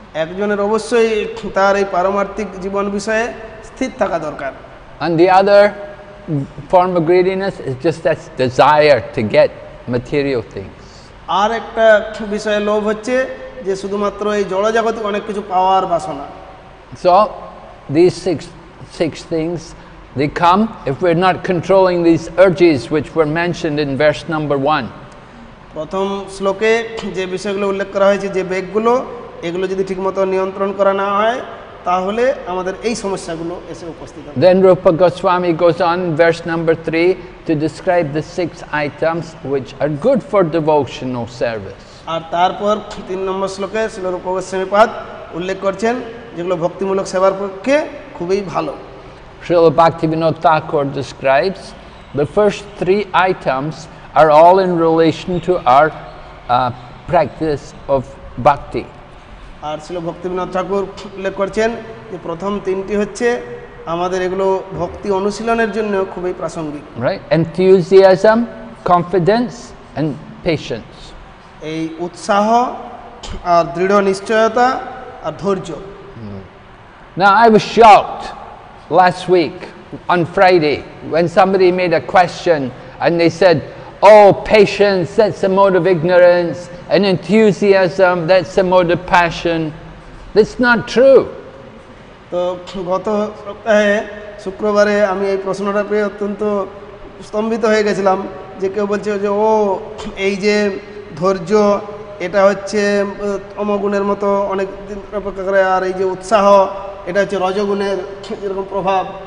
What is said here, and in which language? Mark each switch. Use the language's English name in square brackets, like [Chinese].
[Bangla] একজনের অবশ্যই তার এই পারমার্থিক জীবন বিষয়ে স্থির থাকা দরকার. [English] And the other form of greediness is just that desire to get material things. [Bangla] আর একটা বিষয়ে লোভ হচ্ছে যে শুধুমাত্র এই জড়জাগতিক অনেক কিছু পাওয়ার বাসনা. [English] So these six things, they come if we're not controlling these urges which were mentioned in verse number 1. [Bangla] প্রথম শ্লোকে যে বিষয়গুলো উল্লেখ করা হয়েছে, যে বেগগুলো, এগুলো যদি ঠিকমতো নিয়ন্ত্রণ করা না হয় তাহলে আমাদের এই সমস্যাগুলো এসে উপস্থিত হবে. [English] Then Rupa Goswami goes on verse number 3 to describe the six items which are good for devotional service. [Bangla] আর তারপর 3 নম্বর শ্লোকে শ্রীল রূপ গোস্বামী পাদ উল্লেখ করছেন যেগুলো ভক্তিমূলক সেবার পক্ষে খুবই ভালো. [English] Srila Bhakti Vinod Thakur describes the first 3 items are all in relation to our practice of bhakti. [Bangla] আর শ্রীল ভক্তি বিনোদ ঠাকুর উল্লেখ করছেন যে প্রথম 3টি হচ্ছে আমাদের এগুলো ভক্তি অনুশীলনের জন্য খুবই প্রাসঙ্গিক. [English] Right, enthusiasm, confidence and patience. [Bangla] এই উৎসাহ আর দৃঢ় নিশ্চয়তা আর ধৈর্য. [English] Now I was shocked last week on Friday when somebody made a question and they said, oh, patience, that's a mode of ignorance, and enthusiasm, that's a mode of passion. That's not true. [Bangla] তো গত সপ্তাহে শুক্রবারে আমি এই প্রশ্নটা পেয়ে অত্যন্ত স্তম্ভিত হয়ে গেছিলাম যে কেউ বলছে যে ও এই যে ধৈর্য এটা হচ্ছে তমগুণের মতো অনেক দিন অপেক্ষা করে আর এই যে উৎসাহ এটা হচ্ছে রজগুণের এরকম প্রভাব